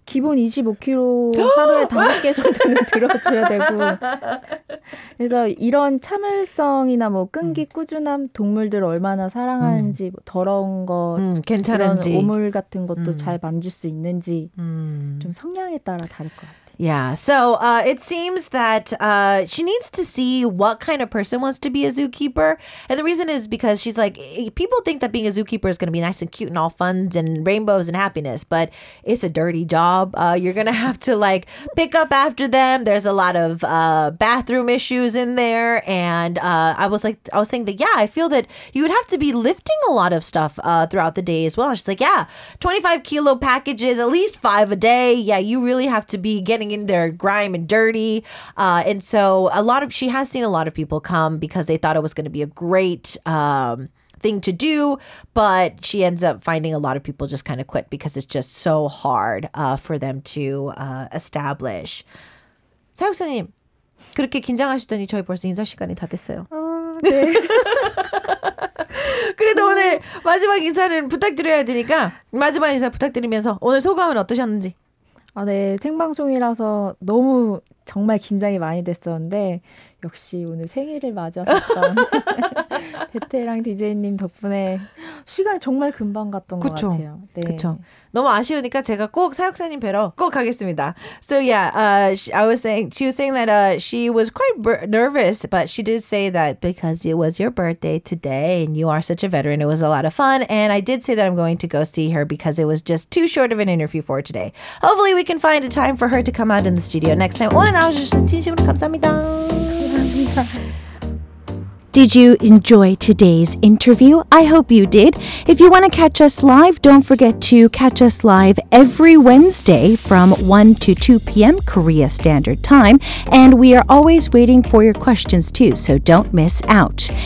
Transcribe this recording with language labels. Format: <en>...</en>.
<ko>기본 25kg 하루에 5개 정도는 들어줘야 되고. 그래서 이런 참을성이나 뭐 끈기 꾸준함 동물들 얼마나 사랑하는지 뭐 더러운 것 괜찮은지 오물 같은 것도 잘 만질 수 있는지 좀 성향에 따라 다를 것 같아요.</ko> <en>Yeah, so it seems that she needs to see what kind of person wants to be a zookeeper. And the reason is because she's like, people think that being a zookeeper is going to be nice and cute and all fun and rainbows and happiness, but it's a dirty job. You're going to have to like pick up after them. There's a lot of bathroom issues in there. And I was saying that, yeah, I feel that you would have to be lifting a lot of stuff throughout the day as well. She's like, yeah, 25 kilo packages, at least 5 a day. Yeah, you really have to be getting in there grime and dirty and so she has seen a lot of people come because they thought it was going to be a great thing to do, but she ends up finding a lot of people just kind of quit because it's just so hard for them to establish.</en> <ko>사육사님 그렇게 긴장하시더니 저희 벌써 인사 시간이 다 됐어요. 네. 그래도 오늘 마지막 인사는 부탁드려야 되니까 마지막 인사 부탁드리면서 오늘 소감은 어떠셨는지. 아, 네. 생방송이라서 너무 정말 긴장이 많이 됐었는데 역시 오늘 생일을 맞이하셨던 베테랑 DJ님 덕분에 시간이 정말 금방 갔던 그쵸? 것 같아요. 네. 그쵸. 너무 아쉬우니까 제가 꼭 사육사님 뵈러 꼭 가겠습니다.</ko> <en>So yeah, she was quite nervous, but she did say that because it was your birthday today and you are such a veteran, it was a lot of fun. And I did say that I'm going to go see her because it was just too short of an interview for today. Hopefully we can find a time for her to come out in the studio next time.</en> <ko>오늘 나와주셔서 진심으로 감사합니다.</ko> <en>Did you enjoy today's interview? I hope you did. If you want to catch us live, don't forget to catch us live every Wednesday from 1 to 2 p.m. Korea Standard Time. And we are always waiting for your questions, too, so don't miss out.</en>